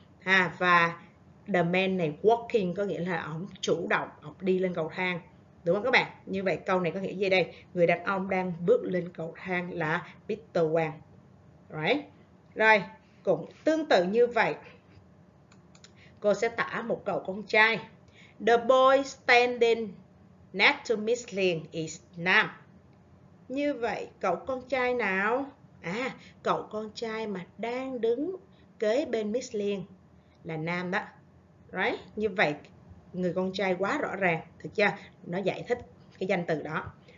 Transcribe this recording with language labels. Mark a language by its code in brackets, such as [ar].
[vi] À, và [en] the man [vi] này [en] walking [vi] có nghĩa là ông chủ động, ông đi lên cầu thang. Đúng không các bạn? Như vậy câu này có nghĩa gì đây? Người đàn ông đang bước lên cầu thang là Mr. Wang. [en] Right. [vi] Rồi, cũng tương tự như vậy. Cô sẽ tả một cậu con trai. [en] The boy standing next to Miss Liên is Nam. [vi] Như vậy, cậu con trai nào? À, cậu con trai mà đang đứng kế bên Miss Liên là Nam đó. [en] Right. [vi] Như vậy, người con trai quá rõ ràng, thực chưa? Nó giải thích cái danh từ đó.